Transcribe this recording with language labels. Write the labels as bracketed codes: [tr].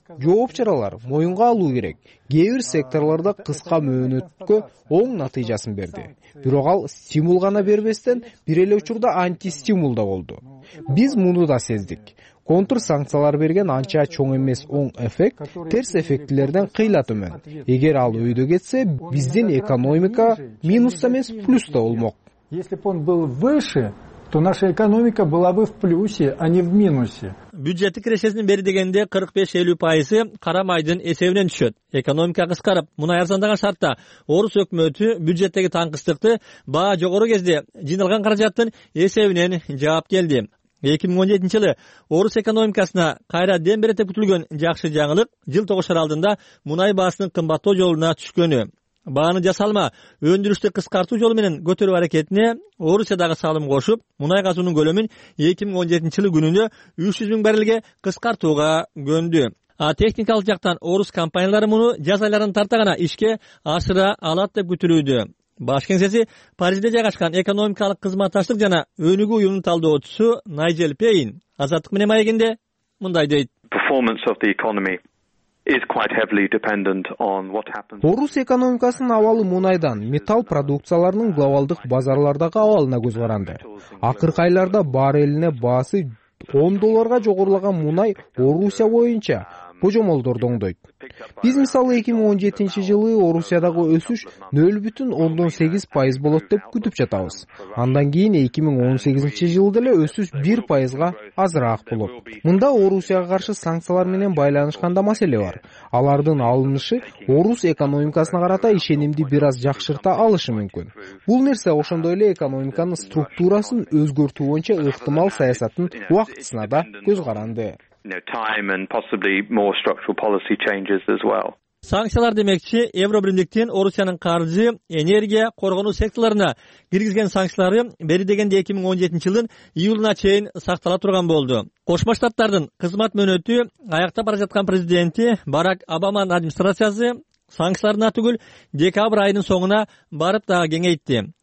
[ky] Жооп чаралар моюнга алуу керек. Кээ бир секторлорда кыска мөөнөткө оң натыйжасын берди. Бирок ал стимул гана бербестен, бир эле учурда антистимул да болду. Биз муну да сездик. Контур санкциялар берген анча чоң эмес оң эффект терс эффектилерден кыйла төмөн. Эгер ал өйдө кетсе, биздин экономика минус эмес плюс да болмок. [ru] Если бы он был выше, то наша экономика была бы в плюсе, а не в минусе. [ky] Бюджеттик кирешесинин бери дегенде 45-50% кара майдын эсебинен түшөт. Экономика кыскарып, мунай арзандаган шартта орус өкмөтү бюджеттеги таңкыстыкты баа жогору кезде жыйналган каражаттын эсебинен жаап келди. 2017 жылы орус экономикасына кайра дем берет деп күтүлгөн жакшы жаңылык жыл тогушар алдында мунай баасынын кымбаттоо жолуна түшкөнү. Баанын жасалма өндүрүштү кыскартуу жолу менен көтөрүү аракетине Орусиядагы салым кошуп, мунай газуунун көлөмүн 2017 жылы күнүндө 300,000 баррелге кыскартууга көндү. А техникалык жактан орус компаниялары муну жаз айларын тарта гана ишке ашыра алат деп күтүлүүдө. Баш кеңсеси Парижде жайгашкан экономикалык кызматташтык жана өнүгүү уюмунун талдоочусу Найжел Пейн Азаттык менен маегинде мындай дейт. [en] Performance of the economy is quite heavily dependent on what happens. [ky] Орус экономикасынын абалы мунайдан, металл продукциялардын глобалдык базарлардагы абалына көз каранды. Акыркы айларда барреліне баасы $10 жогорулаган мунай Орусия боюнча божомолдордон дойт. Биз мисалы 2017 жылы Орусиядагы өсүш 0.8% болот деп күтүп жатабыз. Андан кийин 2018 жылы деле өсүш 1% азыраак болот. Мында Орусияга каршы санкциялар менен байланышкан да маселе бар. Алардын алынышы орус экономикасына карата ишенимди бир аз жакшырта алышы мүмкүн. Бул нерсе ошондой эле экономиканын структурасын өзгөртүү боюнча ыктымал саясаттын убактысына да көз каранды. [en] Time and possibly more structural policy changes as well. [ky] Санкциялар демекчи, Евробиримдиктин Орусиянын каржы, энергия, коргоонуу секторлоруна киргизген санкциялары бери дегенде 2017 жылдын июлуна чейин сактала турган болду. Кошмо Штаттардын кызмат мөөнөтү аяктап бара жаткан президенти Барак Обаманын администрациясы санкцияларына түгүл декабрь айынын соңуна барып дагы кеңейтти.